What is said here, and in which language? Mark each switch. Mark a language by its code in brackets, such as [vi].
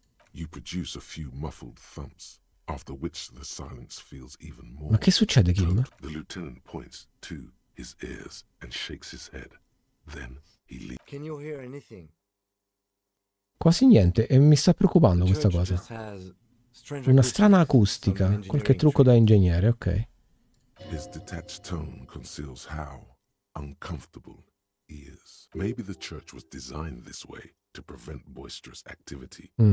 [en] You produce a few muffled thumps, after which the silence feels even more. [it] Ma che succede, Kim? [en] The lieutenant points to his ears and shakes his head. Then he leaves. Can you hear anything? [it] Quasi niente, e mi sta preoccupando questa cosa. Una strana acustica, qualche trucco da ingegnere, ok. [en] His detached tone conceals how uncomfortable he is. Maybe the church was designed this way to prevent boisterous activity.